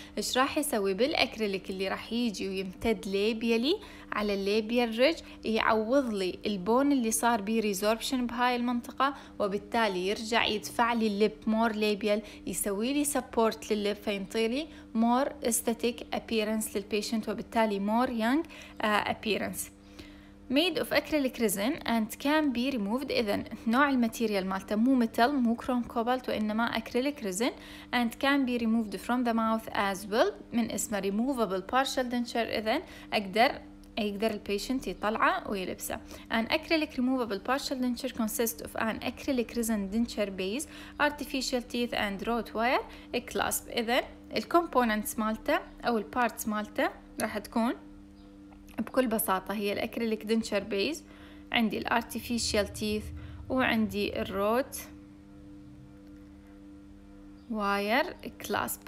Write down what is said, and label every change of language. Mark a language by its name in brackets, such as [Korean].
[Arabic] ايش راح يسوي بالاكريليك اللي راح يجي ويمتد ليبيالي على الليبيال ريج؟ يعوض لي البون اللي صار بي resorption بهاي المنطقة، وبالتالي يرجع يدفع لي اللب [English] more labial، [Arabic] يسوي لي support لللب، فينطيني [English] more aesthetic appearance [Arabic] للpatient، وبالتالي [English] more young appearance. Made of acrylic resin and can be removed. [Arabic] إذن نوع الماتيريال مالته مو ميتال، مو كروم كوبالت، وإنما acrylic resin. [English] And can be removed from the mouth as well. [Arabic] من اسمه removable partial denture. إذن يقدر البيشنت يطلعه ويلبسه. [English] An acrylic removable partial denture consists of an acrylic resin denture base, artificial teeth and wrought wire clasp. [Arabic] إذن الكومبوننتس مالته أو البارتس مالته راح تكون بكل بساطة هي الأكريليك دينتشر بيز، عندي الارتيفيشيال تيث، وعندي الروت واير كلاسب.